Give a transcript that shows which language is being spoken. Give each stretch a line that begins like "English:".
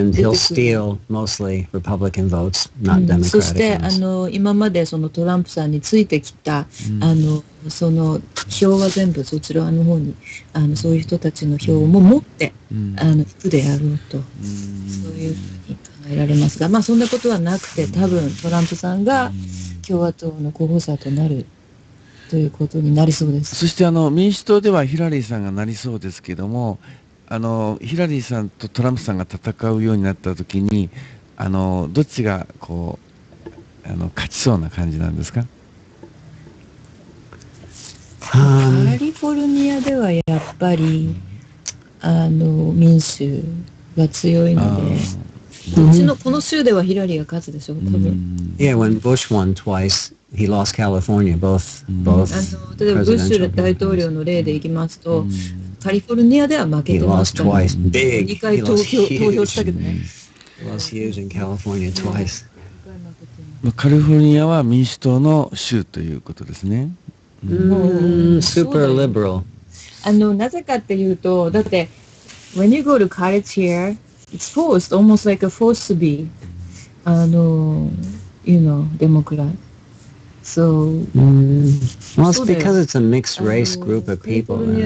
English: And he'll steal mostly Republican votes, not Democratic votes.
Japanese: そして、今までそのトランプさんについてきた、その票は全部そちらの方に、そういう人たちの票も持って、行くであろうと、そういうふうに考えられますが、まあそんなことはなくて、多分トランプさんが共和党の候補者となるということになりそうです。そして民主党ではヒラリーさんがなりそうですけども、ヒラリーさんとトランプさんが戦うようになったときに、どっちがこう勝ちそうな感じなんですか？カリフォルニアではやっぱり民主が強いので、この州ではヒラリーが勝つでしょう、多分。
English: Yeah, when Bush won twice, he lost California, both
Japanese: 例えばブッシュ大統領の例でいきますと、カリフォルニアでは負けてますから、2 回投票したけどね。
English: He lost huge in California twice.
Japanese: まあ、カリフォルニアは民主党の州ということですね。
English: Super liberal.
Japanese: なぜかっていうと、だって
English: when you go to college here, it's forced, almost like a forced to be, you know, Democrat. So, well, it's because it's a mixed race group of people.